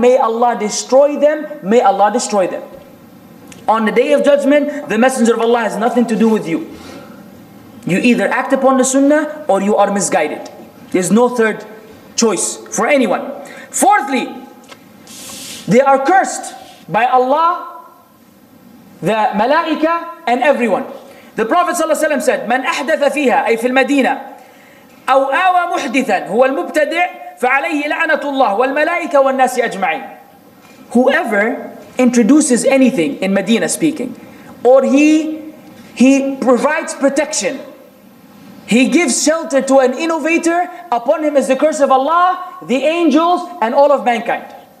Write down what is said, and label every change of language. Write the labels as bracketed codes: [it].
[en] May Allah destroy them. May Allah destroy them. On the Day of Judgment, the Messenger of Allah has nothing to do with you. You either act upon the sunnah or you are misguided. There's no third choice for anyone. Fourthly, they are cursed by Allah, the Malaika, and everyone. The Prophet ﷺ said, [ar] من أحدث فيها أي في المدينة أو آوى محدثا هو المبتدع فعليه لعنة الله والملائكة والناس أجمعين. [en] Whoever introduces anything in Medina speaking, or he provides protection, he gives shelter to an innovator, upon him is the curse of Allah, the angels, and all of mankind.